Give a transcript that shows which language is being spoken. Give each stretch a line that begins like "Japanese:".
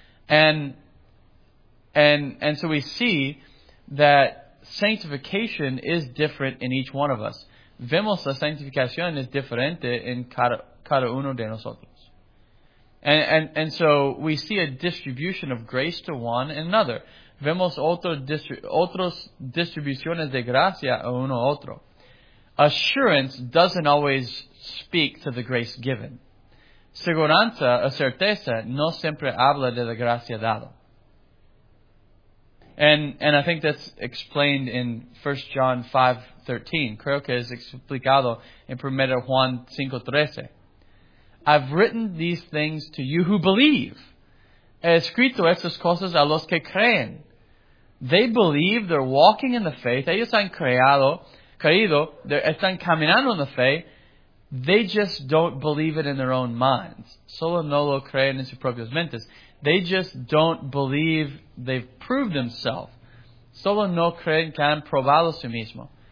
English: And so we see that sanctification is different in each one of us.
Spanish: Vemos la sanctificación es diferente en cada uno de nosotros.
English: And so we see a distribution of grace to one and another.
Spanish: Vemos otros distribuciones de gracia a uno otro.
English: Assurance doesn't always speak to the grace given.
Spanish: Seguranza, a certeza, no siempre habla de la gracia dada.
English: And I think that's explained in 1 John 5:13.
Spanish: Creo que es explicado en 1 Juan 5:13.
English: I've written these things to you who believe.
Spanish: He escrito estas cosas a los que creen.
English: They believe, they're walking in the faith.
Spanish: Ellos han creído, están caminando en la fe.
English: They just don't believe it in their own minds.
Spanish: Solo no lo creen en sus propias mentes.
English: They just don't believe they've proved themselves.
Spanish: Solo no creen que han probado sí mismo.